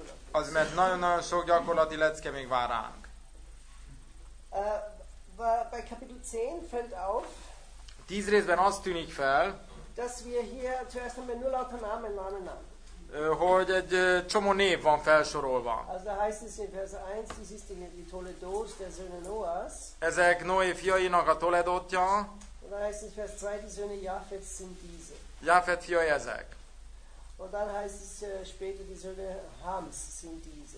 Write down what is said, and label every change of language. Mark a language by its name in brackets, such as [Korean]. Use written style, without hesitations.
[Hungarian] Az, mert nagyon-nagyon sok gyakorlati lecke még vár ránk. [German] Bei Kapitel 10 fällt auf. [Hungarian] Tíz részben azt tűnik fel, [German] dass wir hier zuerst einmal nur lauter Namen, Namen, Namen. [Hungarian] Hogy egy csomó név van felsorolva. [German] Also heißt es in Vers 1, dies ist die tolle Dos der Söhne Noahs. [Hungarian] Ezek Noé fiainak a toledotja. [German] Und dann heißt es in Vers 2, die Söhne Jafets sind diese. [Hungarian] Jafet fiai ezek. [German] Und dann heißt es später, die Söhne Hams sind diese.